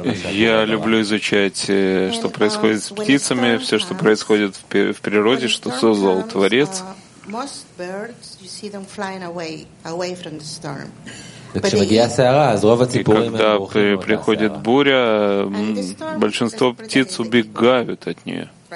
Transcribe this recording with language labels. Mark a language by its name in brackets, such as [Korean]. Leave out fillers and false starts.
[Russian] Я люблю изучать, что происходит с птицами, все, что происходит в природе, что создал Творец. [English] Most birds, you see them flying away, away from the storm. [Russian] И когда приходит буря, большинство птиц убегают от нее.